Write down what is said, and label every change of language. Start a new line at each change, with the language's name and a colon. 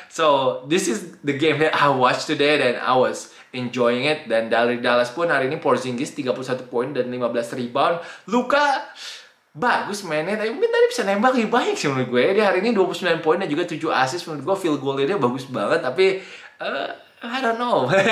English: So this is the game that I watched today and I was enjoying it.
Indonesian: Dan dari Dallas pun hari ini Porzingis 31 poin dan 15 rebound. Luka bagus mainnya, tapi mungkin tadi bisa nembak lebih banyak sih menurut gue. Dia hari ini 29 poin dan juga 7 assist. Menurut gue field goal dia bagus banget, tapi
English: I don't know.